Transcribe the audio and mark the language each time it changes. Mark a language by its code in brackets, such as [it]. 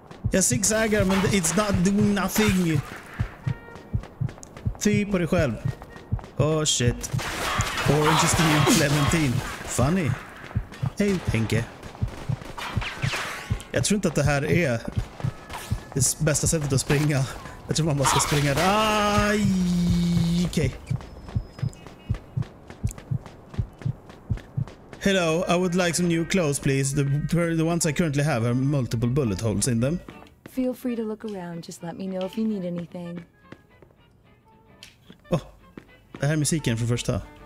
[sv] Jag zigzaggar, men [en] it's not doing nothing. [sv] Ty på dig själv. [en] Oh shit. Orange is the new clementine. Funny. [sv] Hej, [en] Henke. [sv] Jag tror inte att det här är det bästa sättet att springa. Jag tror man bara ska springa. Aj, okej. [en] Hello, I would like some new clothes, please. The ones I currently have are multiple bullet holes in them. Feel free to look around. Just let me know if you need anything. [sv] Oh, det här är musiken för första.